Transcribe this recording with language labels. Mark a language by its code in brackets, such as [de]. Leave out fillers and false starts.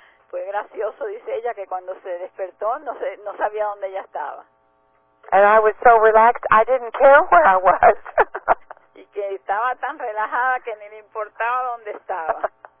[es] Fue gracioso, dice ella, que cuando se despertó no sabía dónde ella estaba. [en] And I was so relaxed, I didn't care where I was. [es] Y que estaba tan relajada que ni le importaba dónde estaba.